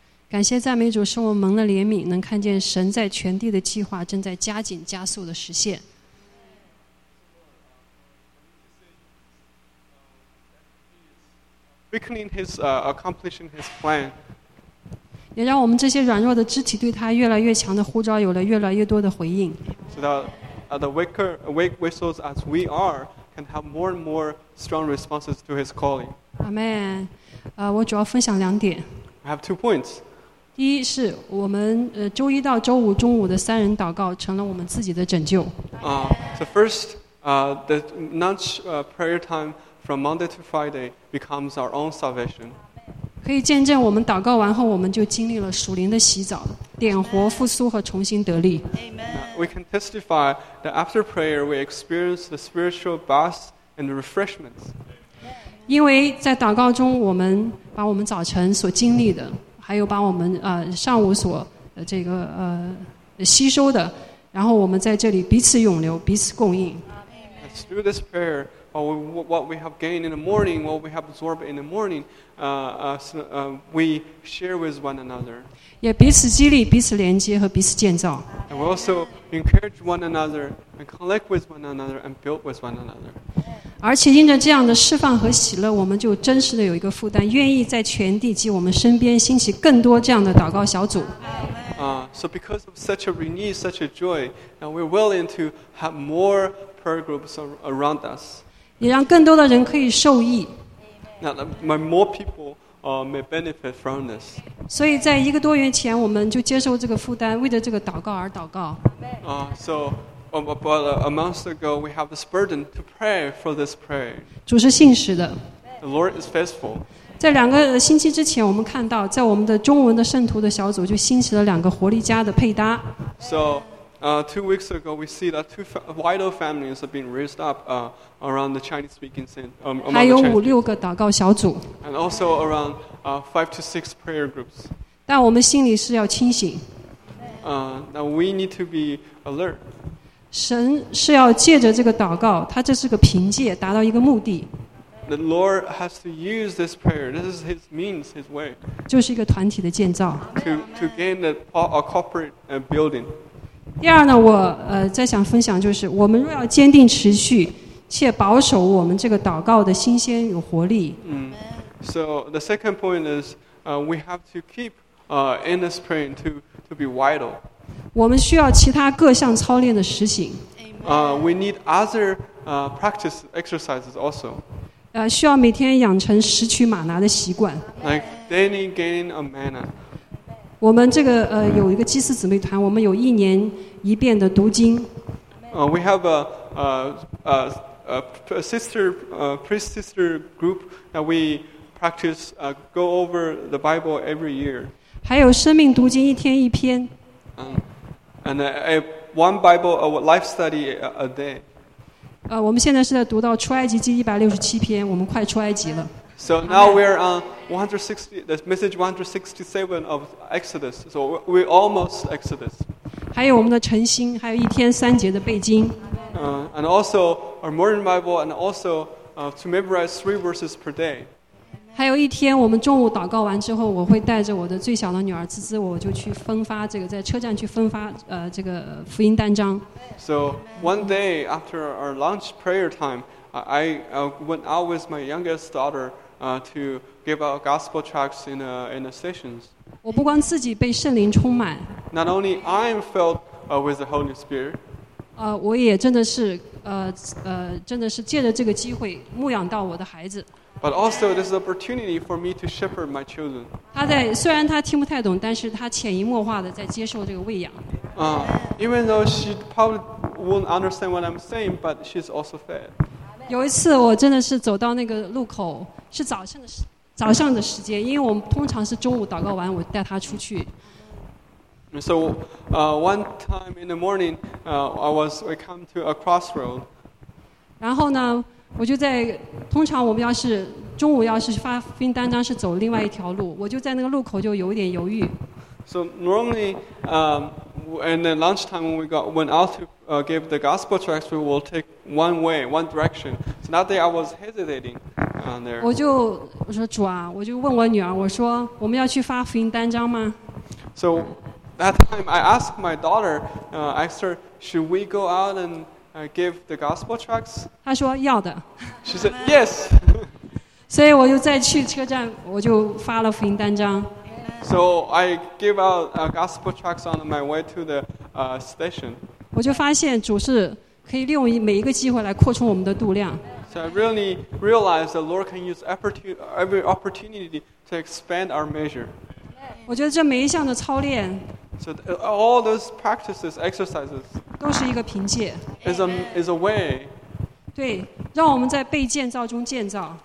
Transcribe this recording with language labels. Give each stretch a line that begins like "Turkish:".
Chinese: 感谢赞美主，使我们蒙了怜悯，能看见神在全地的计划正在加紧加速的实现。
English: Weakening his accomplishing his plan。
Chinese: 也让我们这些软弱的肢体对他越来越强的呼召有了越来越多的回应。
English: So that, the weaker, weak vessels as we are can have more and more strong responses to his calling.
Chinese: Amen. 我主要分享两点。
English: I have 2 points.
Chinese: 第一是我们周一到周五中午的三人祷告成了我们自己的拯救。
English: So first, the lunch prayer time from Monday to Friday becomes our own salvation.
Chinese: 可以见证我们祷告完后我们就经历了属灵的洗澡点活复苏和重新得力。
English: Amen. We can testify that after prayer we experience the spiritual bath and refreshments.
Chinese: 因为在祷告中我们把我们早晨所经历的还有把我们上午所这个吸收的，然后我们在这里彼此永留，彼此供应。
English: Let's do this prayer. What we have gained in the morning, what we have absorbed in the morning, we share with one another.
Chinese: 也彼此激励，彼此连接和彼此建造。
English: And we also encourage one another and connect with one another and build with one another.
Chinese: 而且因着这样的释放和喜乐，我们就真实的有一个负担，愿意在全地及我们身边兴起更多这样的祷告小组。
English: So because of such a renewed, such a joy, now we're willing to have more prayer groups around us.
Chinese: 也让更多的人可以受益。
English: Now more people may benefit from this.
Chinese: 所以在一个多月前，我们就接受这个负担，为着这个祷告而祷告。
English: So about a month ago, we have this burden to pray for this prayer.
Chinese: 主是信实的。
English: The Lord is faithful.
Chinese: 在两个星期之前，我们看到在我们的中文的圣徒的小组就兴起了两个活力家的配搭。
English: So, two weeks ago, we see that two vital families have been raised up around the Chinese-speaking center.
Chinese: 还有五六个祷告小组。
English: And also around five to six prayer groups.
Chinese: 但我们心里是要清醒。
English: Now we need to be alert.
Chinese: 神是要借着这个祷告，他这是个凭借，达到一个目的。
English: The Lord has to use this prayer. This is His means, His way.
Chinese: 就是一个团体的建造。
English: To gain a corporate building.
Chinese: 第二呢，我在想分享就是，我们若要坚定持续，且保守我们这个祷告的新鲜有活力。
English: So the second point is, we have to keep in this praying to be vital.
Chinese: 我们需要其他各项操练的实行。
English: We need other practice exercises also.
Chinese: 需要每天养成拾取玛拿的习惯。
English: Like daily gaining a manna.
Chinese: 我们这个有一个祭司姊妹团，我们有一年一遍的读经。
English: We have a priest sister group that we practice go over the Bible every year.
Chinese: 还有生命读经一天一篇。
English: And one Bible life study a day.
Chinese: 我们现在是在读到出埃及记167篇，我们快出埃及了。
English: So now we are on 160, the message 167 of Exodus. So we almost Exodus.
Chinese: 还有我们的晨兴，还有一天三节的背经。
English: And also our morning Bible, and also to memorize 3 verses per day.
Chinese: 还有一天，我们中午祷告完之后，我会带着我的最小的女儿滋滋，我就去分发这个，在车站去分发这个福音单张。
English: So one day after our lunch prayer time, I went out with my youngest daughter to give out gospel tracts in the stations.
Chinese: 我不光自己被圣灵充满。
English: Not only I am filled with the Holy Spirit.
Chinese: 我也真的是真的是借着这个机会牧养到我的孩子。
English: But also this is an opportunity for me to shepherd my children.
Chinese: 他在虽然他听不太懂，但是他潜移默化的在接受这个喂养。
English: Even though she probably won't understand what I'm saying, but she's also fed.
Chinese: 有一次我真的是走到那个路口，是早上的时间，因为我们通常是中午祷告完，我带他出去。
English: So, one time in the morning, we come to a crossroad.
Chinese: 然后呢？我就在通常我们要是中午要是发福音单张是走另外一条路，我就在那个路口就有点犹豫。
English: So normally, in the lunchtime when we went out to give the gospel tracts, we will take one way, one direction. So that day I was hesitating there.
Chinese: 我说主啊，我就问我女儿，我说我们要去发福音单张吗
English: ？So that time I asked my daughter, I said, should we go out and? I give the gospel tracts.
Chinese: 他说要的。
English: She said yes.
Chinese: 所以我就再去车站，我就发了福音单张。
English: So I give out gospel tracts on my way to the station.
Chinese: 我就发现主是可以利用每一个机会来扩充我们的度量。
English: So I really realized the Lord can use every opportunity to expand our measure.
Chinese: 我觉得这每一项的操练。
English: So all those practices, exercises,
Chinese: 都是一个凭借
English: is a way.
Chinese: 对，让我们在被建造中建造